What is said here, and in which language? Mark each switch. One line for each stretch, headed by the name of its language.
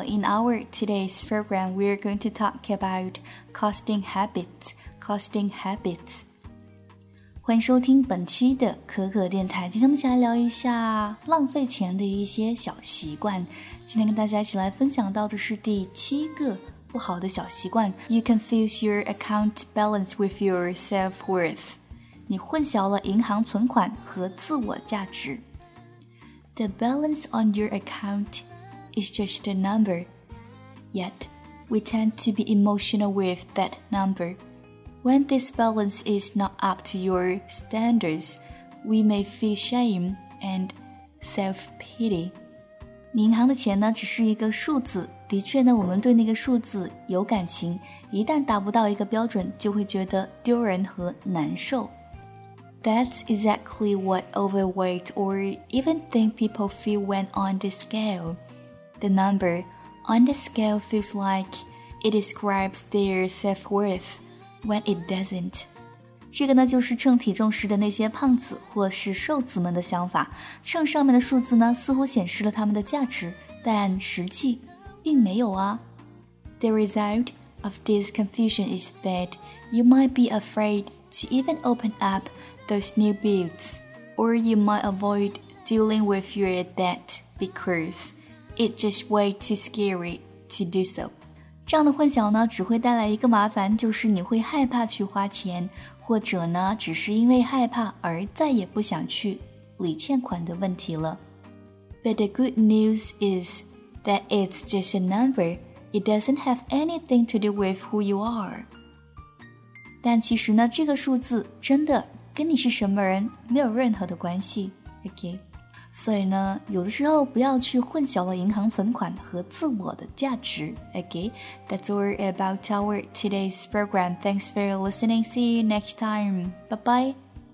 English: In our today's program, we are going to talk about costing habits. Costing habits.
Chinese: 欢迎收听本期的可可电台。今天我们一起来聊一下浪费钱的一些小习惯。今天跟大家一起来分享到的是第七个不好的小习惯。
English: You confuse your account balance with your self-worth.
Chinese: 你混淆了银行存款和自我价值。
English: The balance on your account is just a number, yet we tend to be emotional with that number. When this balance is not up to your standards, we may feel shame and self-pity.
Chinese: 银行的钱呢，只是一个数字，的确呢，我们对那个数字有感情，一旦达不到一个标准，就会觉得丢人和难受。
English: That's exactly what overweight or even thin people feel when on the scale. The number on the scale feels like it describes their self-worth when it doesn't.
Chinese: 这个呢就是称体重时的那些胖子或是瘦子们的想法。秤上面的数字呢似乎显示了他们的价值但实际并没有啊。
English: The result of this confusion is that you might be afraid to even open upthose new bills, or you might avoid dealing with your debt because it's just way too scary to do so.
Chinese: 这样的混淆呢只会带来一个麻烦就是你会害怕去花钱或者呢只是因为害怕而再也不想去理欠款的问题了。
English: But the good news is that it's just a number. It doesn't have anything to do with who you are.
Chinese: 但其实呢这个数字真的跟你是什么人没有任何的关系 ，OK。所以呢，有的时候不要去混淆了银行存款和自我的价值 ，OK。
English: That's all about our today's program. Thanks for listening. See you next time. Bye bye.